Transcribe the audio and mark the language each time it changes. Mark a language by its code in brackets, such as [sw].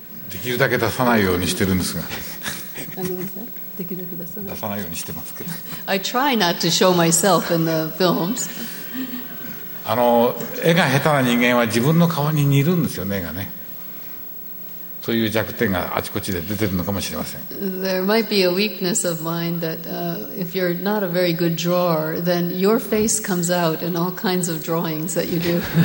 [ja] できるだけ出さないようにしてるんですが。出さないようにしてますけど。 [en] I try not to show myself in the films. [ja] あの、絵が下手な人間は自分の顔に似るんですよね、絵がね。そういう弱点があちこちで出てるのかもしれません。 [en] There might be a weakness of mine that if you're not a very good drawer, then your face comes out in all kinds of drawings that you do.